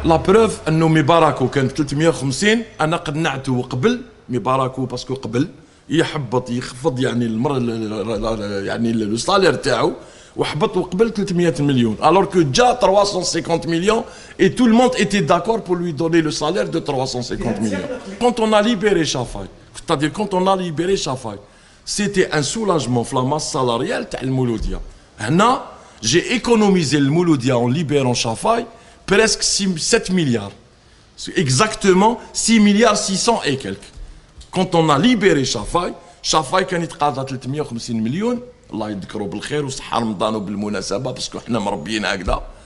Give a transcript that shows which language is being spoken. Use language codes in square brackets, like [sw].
[ar] لا بروف انه مباركو كان 350 انا قنعته وقبل مباركو باسكو قبل يحبط يخفض يعني المر يعني لو سالير تاعو وحبط وقبل 300 مليون [fr] alors que [ar] جا 350 مليون [fr] et tout le monde était d'accord pour lui donner le salaire de [ar] 350 مليون. [fr] quand on a libéré Shafai c'est-à-dire quand on a libéré Shafai c'était un soulagement pour la masse salariale [ar] تاع المولوديا. [fr] هنا j'ai économisé le Mouloudia en libérant Shafai presque 7 milliards c'est exactement 6 milliards 600 et quelques. quand on a libéré Shafai [ar] كان يتقاضى 350 مليون الله يذكره بالخير وصحة رمضان وبالمناسبة باسكو حنا مربيين هكذا.